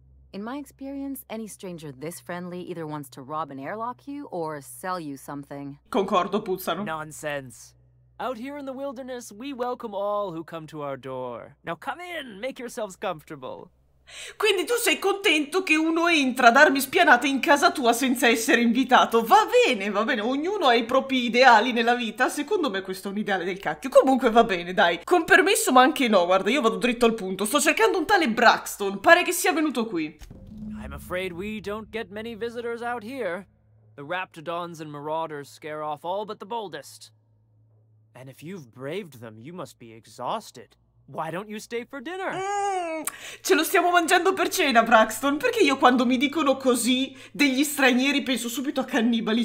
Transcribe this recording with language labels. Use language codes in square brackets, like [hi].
[en] In my experience, any stranger this friendly either wants to rob and airlock you or sell you something. [it] Concordo, puzzano. [en] Nonsense. Out here in the wilderness, we welcome all who come to our door. Now come in, make yourselves comfortable. [it] Quindi tu sei contento che uno entra ad armi spianate in casa tua senza essere invitato. Va bene, ognuno ha i propri ideali nella vita. Secondo me questo è un ideale del cacchio. Comunque va bene, dai. Con permesso, ma anche no, guarda, io vado dritto al punto. Sto cercando un tale Braxton, pare che sia venuto qui. [en] I'm afraid we don't get many visitors out here. The Raptodons and Marauders scare off all but the boldest. And if you've braved them, you must be exhausted. Why don't you stay for dinner? [it] Ce lo stiamo mangiando per cena, [en] Braxton. [it] Perché io quando mi dicono così degli stranieri penso subito a cannibali?